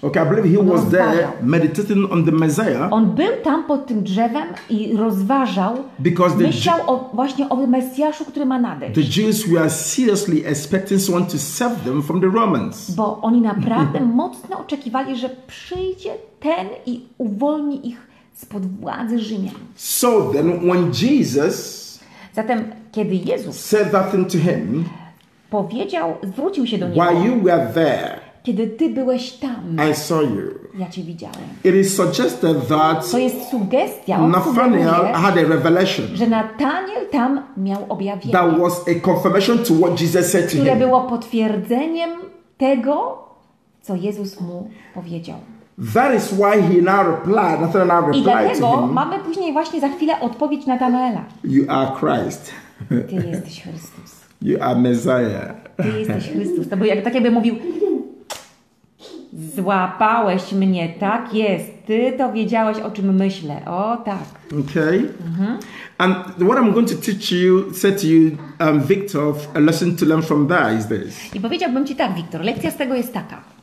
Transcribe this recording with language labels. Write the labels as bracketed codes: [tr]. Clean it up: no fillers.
[en] Okay, I believe he was there meditating on the Messiah. [pl] On był tam pod tym drzewem i rozważał, myślał właśnie o Mesjaszu, który ma nadejść. [en] The Jews were seriously expecting someone to save them from the Romans. [pl] Bo oni naprawdę mocno oczekiwali, że przyjdzie ten i uwolni ich spod władzy Rzymian. [en] So then when Jesus [pl] zatem, kiedy Jezus [en] said that thing to him, [pl] powiedział, zwrócił się do niego. [en] While you were there, [pl] kiedy ty byłeś tam, [en] I saw you. [pl] Ja cię widziałem. [en] It is suggested that [pl] to jest sugestia, [en] Nathaniel had a revelation, [pl] że Nathaniel tam miał objawienie. [en] That was a confirmation to what Jesus said to him. [pl] Które było potwierdzeniem tego, co Jezus mu powiedział. [en] That is why he now replied. Nathaniel now replied [pl] i dlatego [en] to him, [pl] mamy później właśnie za chwilę odpowiedź Nathanaela. [en] You are Christ. [pl] Ty jesteś Chrystus. [en] You are Messiah. [pl] Ty jesteś Chrystus. To był jak, tak jakby mówił, złapałeś mnie, tak jest. Ty to wiedziałeś, o czym myślę. O, tak. [en] Okay. Mm-hmm. And what I'm going to teach you, say to you, Victor, a lesson to learn from that is this. [pl] I powiedziałbym ci tak, Victor, lekcja z tego jest taka.